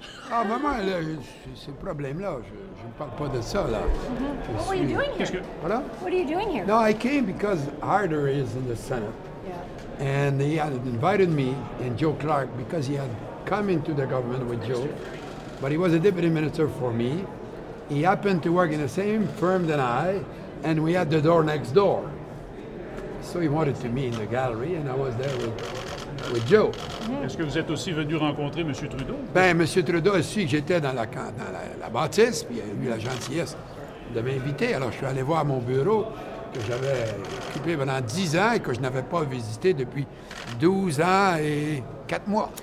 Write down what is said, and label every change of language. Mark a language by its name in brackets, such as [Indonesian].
[French] Ah, maman, là, ce problème-là, je ne parle pas de ça, là. [English] Mm-hmm. What are you doing here? [French] Voilà. [English] What are you doing here? No, I came because Harder is in the Senate. Yeah. And he had invited me and Joe Clark because he had come into the government with Joe. But he was a deputy minister for me. He happened to work in the same firm than I, and we had the door next door. So he wanted to meet in the gallery, and I was there with Joe. Mm-hmm. [French] Est-ce que vous êtes aussi venu rencontrer M. Trudeau? Ben, M. Trudeau a su que j'étais dans la bâtisse, puis il a eu la gentillesse de m'inviter. Alors, je suis allé voir mon bureau que j'avais occupé pendant 10 ans et que je n'avais pas visité depuis 12 ans et 4 mois.